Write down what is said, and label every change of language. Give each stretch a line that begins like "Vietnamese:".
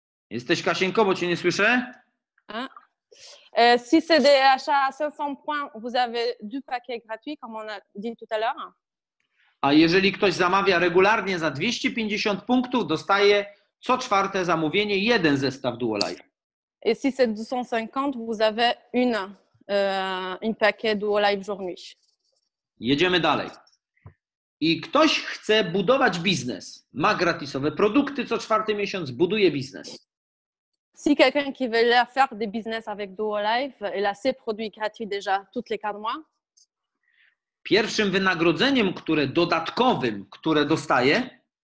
Polish: Jesteś, Kasieńko, bo cię nie słyszę?
French: Si c'est des achats à 500 points, vous avez deux paquets gratuits, comme on a dit tout à l'heure.
Polish: A jeżeli ktoś zamawia regularnie za 250 punktów, dostaje co czwarte zamówienie jeden zestaw DuoLife.
French: Et si c'est 250, vous avez un paquet DuoLife jour nuit.
Polish: Jedziemy dalej. I ktoś chce budować biznes, ma gratisowe produkty, co czwarty miesiąc buduje biznes.
French: Si quelqu'un qui veut faire des business avec DuoLife, il a ses produits gratuits déjà toutes les 4 mois.
Polish: Pierwszym wynagrodzeniem, które dodatkowym, które dostaje?